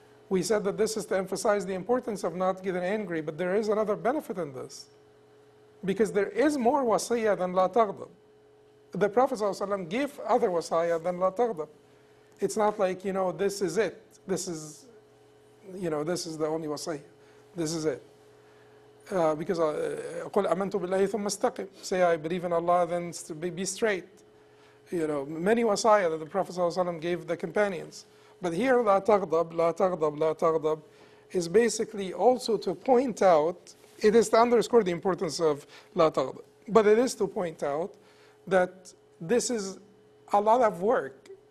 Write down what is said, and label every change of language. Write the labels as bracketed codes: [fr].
[en] We said that this is to emphasize the importance of not getting angry, but there is another benefit in this. Because there is more wasiyya than la taghdab. The Prophet ﷺ gave other wasiyya than la taghdab. It's not like, you know, this is it. This is, you know, this is the only wasiyya. This is it. [ar] Because, قُلْ أَمَنْتُ بِاللَّهِ ثُمَّ اسْتَقِمْ. [en] Say, I believe in Allah, then be straight. You know, many wasiyya that the Prophet ﷺ gave the companions. But here, [ar] لا تغضب, لا تغضب, لا تغضب, [en] is basically also to point out, it is to underscore the importance of لا تغضب, but it is to point out that this is a lot of work.